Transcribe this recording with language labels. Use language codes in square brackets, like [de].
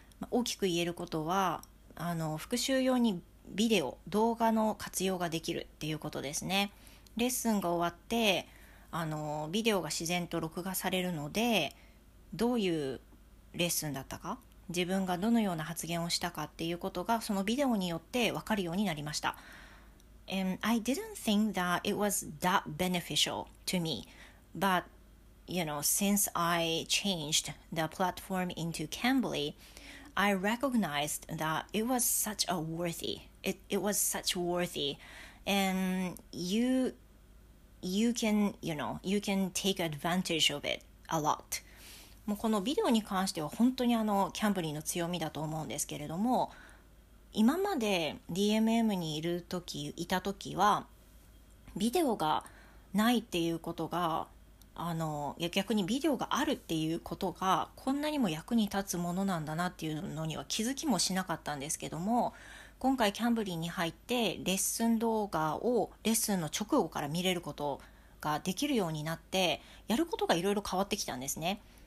[ja] 大きく言えることは、復習用にビデオ、動画の活用ができるっていうことですね。レッスンが終わってビデオが自然と録画されるので、どういうレッスンだったか、自分がどのような発言をしたかっていうことがそのビデオによって分かるようになりました。 [en] And I didn't think that it was that beneficial to me, but you know, since I changed the platform into Cambly, I recognized that it was such worthy, and you can, you know, you can take advantage of it a lot. [ja] もうこのビデオに関しては本当にキャンブリーの強みだと思うんですけれども、今まで DMM にいた時はビデオがないっていうことが、逆にビデオがあるっていうことがこんなにも役に立つものなんだなっていうのには気づきもしなかったんですけども、今回キャンブリーに入ってレッスン動画をレッスンの直後から見れることができるようになって、やることがいろいろ変わってきたんですね。